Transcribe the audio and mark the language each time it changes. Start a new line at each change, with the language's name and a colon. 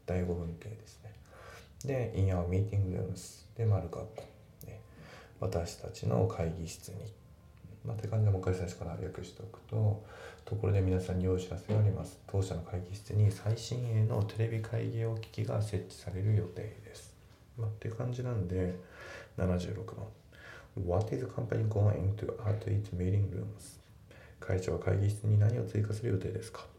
Japanese: 第5文型ですね。で
English: In our meeting rooms
Japanese: で丸括弧、私たちの会議室に。まあ、って感じでもう一回最初から略しておくと、ところで皆さんに良いお知らせがあります。当社の会議室に最新鋭のテレビ会議用機器が設置される予定です。まあ、って感じなんで、76番、
English: What is the company going to add to its meeting rooms?
Japanese: 会長は会議室に何を追加する予定ですか。